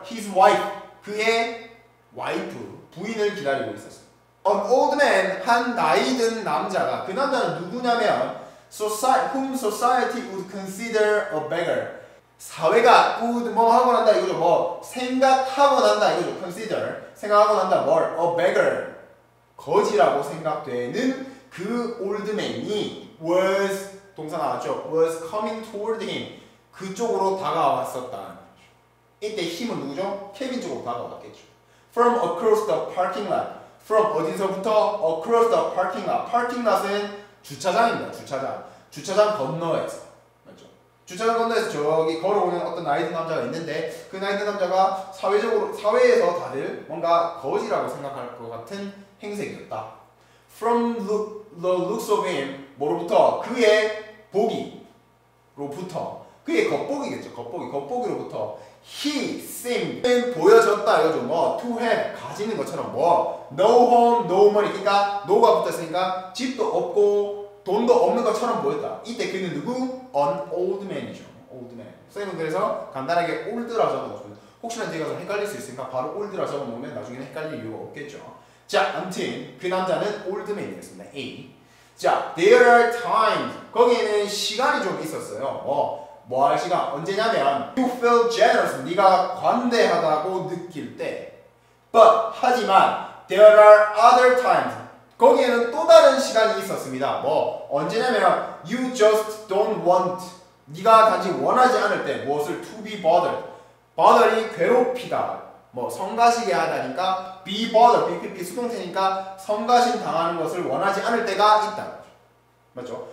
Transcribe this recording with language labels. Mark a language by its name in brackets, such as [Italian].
[English] His wife, [Korean] 그의 와이프, 부인을 기다리고 있었어요. [English] An old man, [Korean] 한 나이 든 남자가, 그 남자는 누구냐면 [English] whom society would consider a beggar. [Korean] 사회가 would 뭐 하고 난다 이거죠. 뭐 생각하고 난다 이거죠. consider 생각하고 난다 뭘? a beggar 거지라고 생각되는 그 old man이 was 동사 나왔죠. [English] was coming toward him [Korean] 그쪽으로 다가왔었다. 이때 힘은 누구죠? 케빈 쪽으로 다가왔겠죠. [English] from across the parking lot from [Korean] 어디서부터? [English] across the parking lot. [Korean] parking lot은 주차장입니다. 주차장 건너에서 주차장 건너에서 저기 걸어오는 어떤 나이든 남자가 있는데 그 나이든 남자가 사회에서 다들 뭔가 거지라고 생각할 것 같은 행색이었다. [English] From the looks of him, [Korean] 뭐로부터? 그의 보기로부터 그의 겉보기겠죠. 겉보기로부터 [English] he seemed [Korean] 보여졌다 이거죠. 뭐 to have 가지는 것처럼 뭐 [English] no home, no money [Korean] 그러니까 no가 붙었으니까 집도 없고 돈도 없는 것처럼 보였다. 이때 그는 누구? [English] An old man이죠. old man. [Korean] 선생님은 그래서 간단하게 old라 적어놓으면 혹시나 뒤에 가서 헷갈릴 수 있으니까 바로 old라 적어놓으면 나중에는 헷갈릴 이유가 없겠죠. 자, 암튼 그 남자는 old man이었습니다. [English] A. 자, there are times. [Korean] 거기에는 시간이 좀 있었어요. 뭐 할 시간? 언제냐면 [English] you feel generous. [Korean] 네가 관대하다고 느낄 때. [English] But, [Korean] 하지만 [English] there are other times. [Korean] 거기에는 또 다른 시간이 있었습니다. 뭐 언제냐면 [English] You just don't want [Korean] 네가 단지 원하지 않을 때 무엇을 [English] to be bothered. [Korean] bother이 괴롭히다. 뭐 성가시게 하다니까 be bothered, BPP 수동태니까 성가신 당하는 것을 원하지 않을 때가 있다. 맞죠?